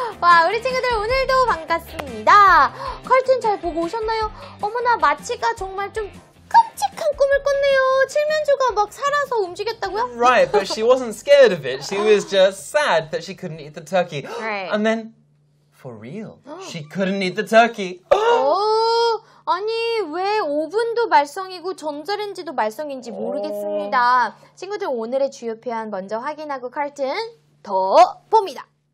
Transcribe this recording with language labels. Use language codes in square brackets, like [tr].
[ko] 와, 우리 친구들 오늘도 반갑습니다! 컬튼 잘 보고 오셨나요? 어머나, 마치가 정말 좀 끔찍한 꿈을 꿨네요. 칠면조가 막 살아서 움직였다고요? [en] Right, but she wasn't scared of it. She was just sad that she couldn't eat the turkey. Right. And then, for real, she couldn't eat the turkey. [ko] 아니, 왜 오븐도 말썽이고 전자레인지도 말썽인지 모르겠습니다. 친구들, 오늘의 주요 표현 먼저 확인하고 칼튼 더 봅니다.